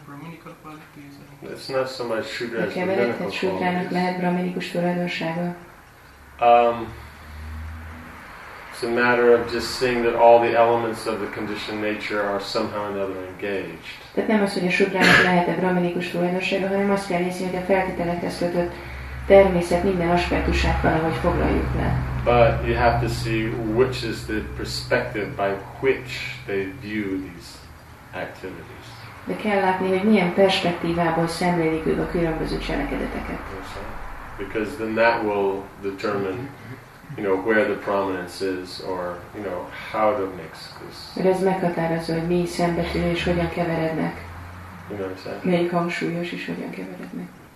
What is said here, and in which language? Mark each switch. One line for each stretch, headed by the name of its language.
English: You can mix it in which way, so Shudra can have Brahminical qualities. It's not so much Shudra as Brahminical qualities. It's a matter of just seeing that all the elements of the conditioned nature are somehow or another engaged.
Hungarian: Tehát nem az, hogy a Shudrának lehet-e Brahminical tulajdonsága, hanem azt kell nézni, hogy a feltételekhez kötött természet minden aspektusát valahogy foglaljuk le.
English: But you have to see which is the perspective by which they view these activities.
Hungarian: De kell látni, hogy milyen perspektívából szemlélik ők a különböző cselekedeteket.
English: Because then that will determine, you know, where the prominence is, or you know, how to mix this.
Hungarian: Mert ez meghatározza, hogy mi szembetűnő és hogyan keverednek.
English: You know what I'm saying?
Hungarian: Melyik hangsúlyos és hogyan keverednek.